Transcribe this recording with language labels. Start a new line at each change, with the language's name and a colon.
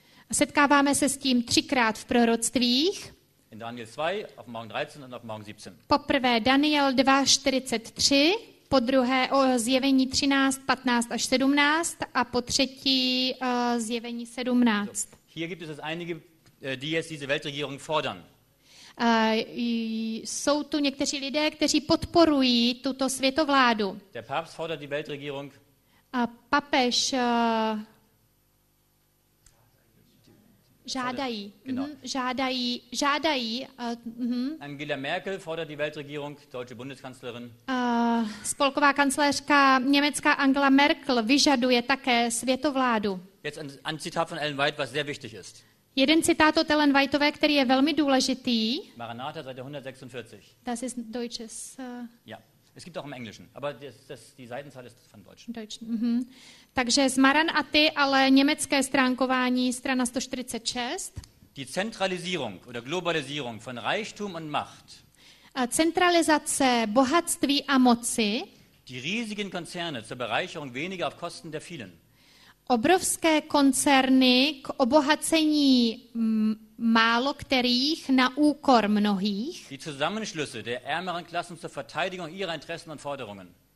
Czech: Setkáváme se s tím třikrát v proroctvích.
German: In Daniel 2, Offenbarung 13 und Offenbarung 17.
Czech: Poprvé Daniel 2:43, po druhé zjevení 13, 15 až 17 a po třetí zjevení 17.
German: So, hier gibt es das einige, die jetzt diese Weltregierung fordern.
Czech: Jsou tu někteří lidé, kteří podporují tuto světovládu.
German: Der Papst fordert die Weltregierung.
Czech: Papež žádají, žádají.
German: Angela Merkel fordert die Weltregierung, deutsche Bundeskanzlerin.
Czech: Spolková kancléřka německá Angela Merkel vyžaduje také světovládu.
German: Jetzt ein Zitat von Ellen White, was sehr wichtig ist.
Czech: Jeden citát od Ellen Whiteové, který je velmi důležitý.
German: Maranatha, Seite 146. Das ist deutsches. Ja, es gibt auch im Englischen, aber die Seitenzahl ist von Deutsch. Deutsch.
Czech: Takže z Maranaty, ale německé stránkování, strana 146.
German: Die Zentralisierung oder Globalisierung von Reichtum und Macht.
Czech: Zentralizace bohatství a moci.
German: Die riesigen Konzerne zur Bereicherung weniger auf Kosten der vielen.
Czech: Obrovské koncerny k obohacení málo kterých na úkor mnohých.
German: Die Zusammenschlüsse der ärmeren Klassen zur Verteidigung ihrer Interessen und Forderungen.